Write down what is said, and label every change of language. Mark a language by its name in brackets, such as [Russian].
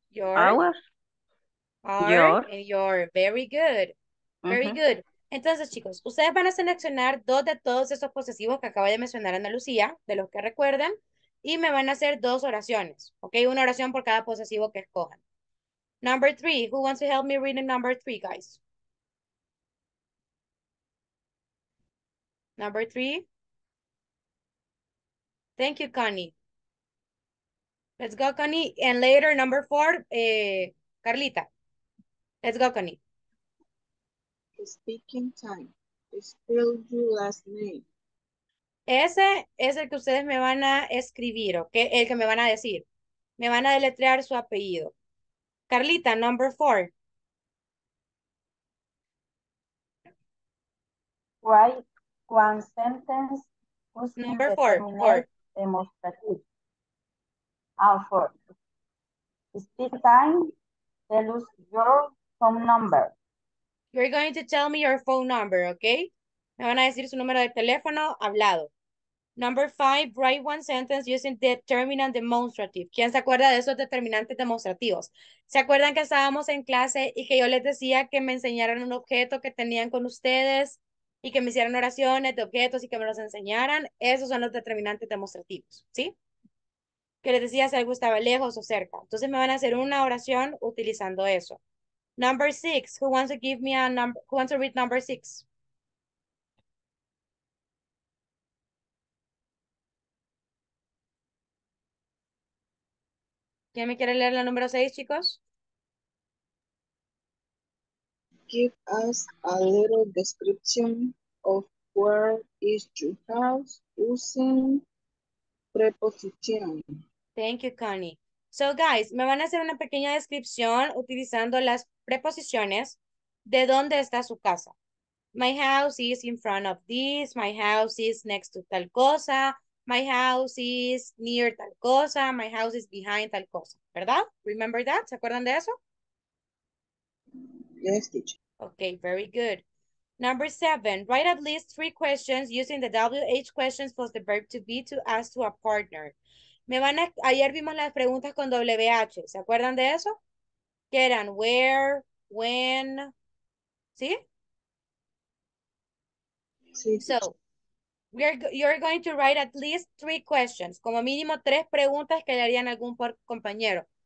[English] Your. Our. Your. And your. Very good. Very good. [Spanish] Entonces, chicos, ustedes van a seleccionar 2 de todos esos posesivos que acaba de mencionar Ana Lucía, de los que recuerdan, y me van a hacer 2 oraciones, ¿ok? Una oración por cada posesivo que escojan. [English] Number 3. Who wants to help me read in number 3, guys? Number 3. Thank you, Connie. Let's go, Connie. And later, number 4, Carlita. Let's go, Connie. Speaking time. Spell your last name. [Spanish] Ese es el que ustedes me van a escribir, ¿ok? El que me van a decir. Me van a deletrear su apellido. [English] Carlita, number 4. Write one sentence. Using number 4. Demonstrative. Four. Speak time. Tell us your phone number. You're going to tell me your phone number, okay? [Spanish] Me van a decir su número de teléfono hablado. [English] Number 5, write one sentence using determinant demonstrative. [Spanish] ¿Quién se acuerda de esos determinantes demostrativos? ¿Se acuerdan que estábamos en clase y que yo les decía que me enseñaran un objeto que tenían con ustedes y que me hicieran oraciones de objetos y que me los enseñaran? Esos son los determinantes demostrativos, ¿sí? Que les decía si algo estaba lejos o cerca. Entonces me van a hacer una oración utilizando eso. [English] Number 6, who wants to give me a number, who wants to read number 6? [Spanish] ¿Quién me quiere leer la número 6, chicos? [English] Give us a little description of where is your house using preposition. Thank you, Connie. So, guys, [Spanish] me van a hacer una pequeña descripción utilizando las preposiciones de dónde está su casa. [English] My house is in front of this. My house is next to [Spanish] tal cosa. [English] My house is near [Spanish] tal cosa. [English] My house is behind tal cosa. [Spanish] ¿Verdad? [English] Remember that? [Spanish] ¿Se acuerdan de eso? [English] Yes, teacher. Okay, very good. Number 7, write at least 3 questions using the WH questions plus the verb to be to ask to a partner. [Spanish] Ayer vimos las preguntas con WH, ¿se acuerdan de eso? ¿Qué eran? [English] Where, when, [Spanish] ¿sí? Sí. [English] So, you're going to write at least 3 questions, [Spanish] como mínimo 3 preguntas que le harían algún compañero.